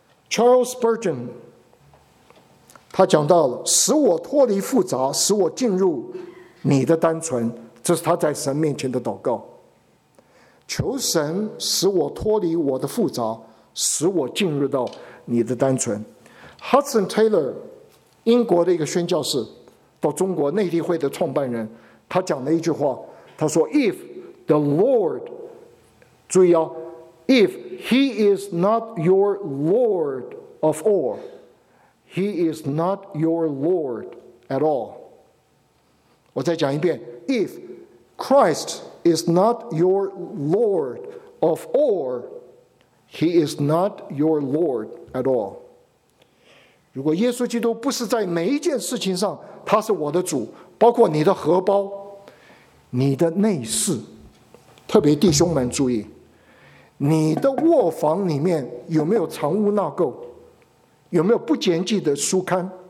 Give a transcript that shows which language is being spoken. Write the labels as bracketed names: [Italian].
[Chinese] Charles Spurgeon 他讲到了，使我脱离复杂，使我进入你的单纯，这是他在神面前的祷告。求神使我脱离我的复杂，使我进入到你的单纯。 Hudson Taylor 英国的一个宣教士，到中国内地会的创办人，他讲了一句话，他说 [English] If the Lord [Chinese] 注意哦 [English] If he is not your Lord of all, he is not your Lord at all. [Chinese] 我再讲一遍， [English] If Christ is not your Lord of all, he is not your Lord at all. [Chinese] 如果耶稣基督不是在每一件事情上他是我的主，包括你的荷包，你的内室，特别弟兄们注意，你的卧房里面有没有藏污纳垢，有没有不洁净的书刊，